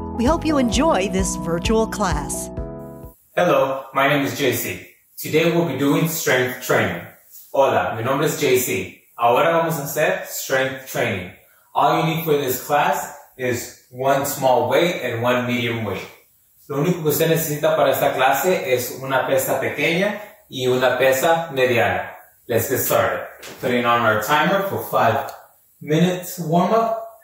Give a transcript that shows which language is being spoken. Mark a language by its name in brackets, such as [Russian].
[English] We hope you enjoy this virtual class. Hello, my name is JC. Today we'll be doing strength training. [Spanish] Hola, mi nombre es JC. Ahora vamos a hacer strength training. [English] All you need for this class is one small weight and one medium weight. [Spanish] Lo único que usted necesita para esta clase es una pesa pequeña y una pesa mediana. [English] Let's get started. Putting on our timer for 5 minutes warm-up.